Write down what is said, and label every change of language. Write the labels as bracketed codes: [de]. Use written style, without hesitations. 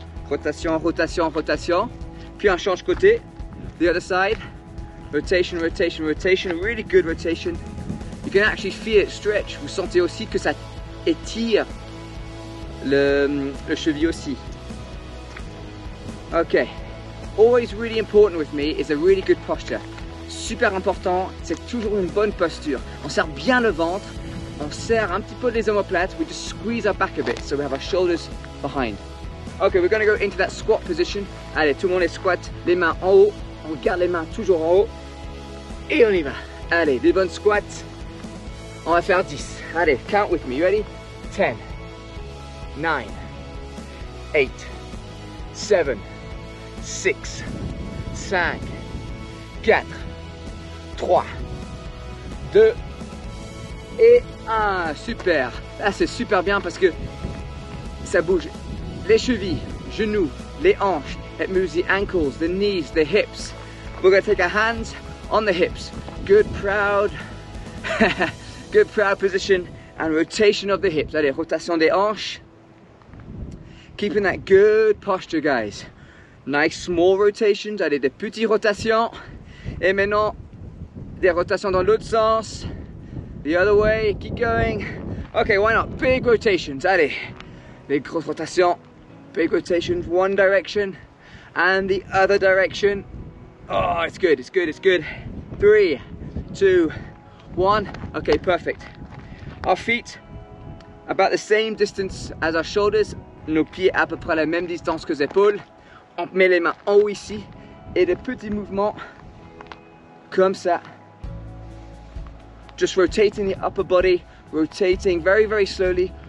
[fr] Rotation, rotation, rotation. Puis on change côté. [en] The other side. Rotation, rotation, rotation. Really good rotation. You can actually feel it stretch. [fr] Vous sentez aussi que ça étire le cheville aussi. [en] Okay. Always really important with me is a really good posture. [fr] Super important, c'est toujours une bonne posture. On serre bien le ventre, on serre un petit peu les omoplates, [en] we just squeeze our back a bit so we have our shoulders behind. Okay, we're gonna go into that squat position. [fr] Allez, tout le monde est squat, les mains en haut, on garde les mains toujours en haut. Et on y va. Allez, des bonnes squats. On va faire 10. [en] Allez, count with me, you ready? 10, 9, 8, 7, 6, 5, 4, 3, 2 et 1. Super. [fr] Là, c'est super bien parce que ça bouge les chevilles, genoux, les hanches. [en] It moves the ankles, the knees, the hips. We're going to take our hands on the hips. Good, proud. Good, proud position and rotation of the hips. [fr] Allez, rotation des hanches. [en] Keeping that good posture, guys. Nice small rotations, [fr] allez, des petites rotations. Et maintenant, des rotations dans l'autre sens. [en] The other way, keep going. Okay, why not? Big rotations, allez. [fr] Des grosses rotations. [en] Big rotations, one direction. And the other direction. Oh, it's good, it's good, it's good. 3, 2, 1. Okay, perfect. Our feet, about the same distance as our shoulders. [fr] Nos pieds à peu près la même distance que les épaules. On met les mains en haut ici et des petits mouvements comme ça. [en] Just rotating the upper body, rotating very, very slowly.